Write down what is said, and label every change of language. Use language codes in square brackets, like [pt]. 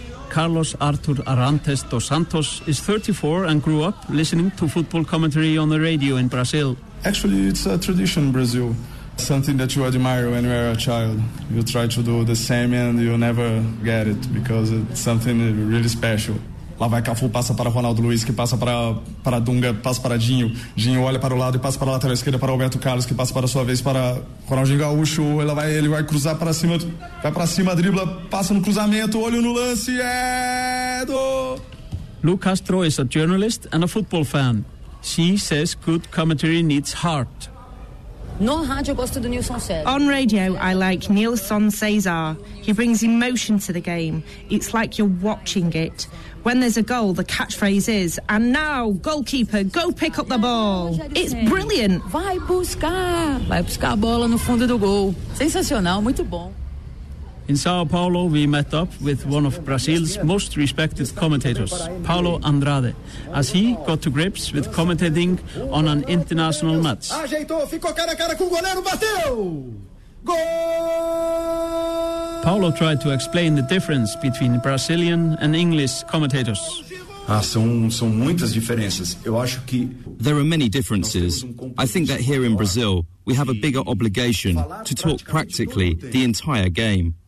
[en] Carlos Artur Arantes dos Santos is 34 and grew up listening to football commentary on the radio in Brazil. Actually, it's a tradition in Brazil, something that you admire when you are a child. You try to do the same and you never get it, because it's something really special. [pt] Lá vai Cafu, passa para Ronaldo Luiz, que passa para Dunga, passa para Dinho. Dinho olha para o lado e passa para a lateral esquerda para Roberto Carlos, que passa para a sua vez para Ronaldinho Gaúcho. Ele vai cruzar para cima, vai para cima, dribla, passa no cruzamento, olho no lance, é do... [en] Lu Castro is a journalist and a football fan. She says good commentary needs heart. On radio, I like Nilson César. He brings emotion to the game. It's like you're watching it. When there's a goal, the catchphrase is, and now, goalkeeper, go pick up the ball. It's brilliant. [pt] Vai buscar a bola no fundo do gol. Sensacional, muito bom. [en] In Sao Paulo, we met up with one of Brazil's most respected commentators, Paulo Andrade, as he got to grips with commentating on an international match. [pt] Ajeitou, ficou cara a cara com o goleiro, bateu! [en] Goal! Paulo tried to explain the difference between Brazilian and English commentators. There are many differences. I think that here in Brazil, we have a bigger obligation to talk practically the entire game.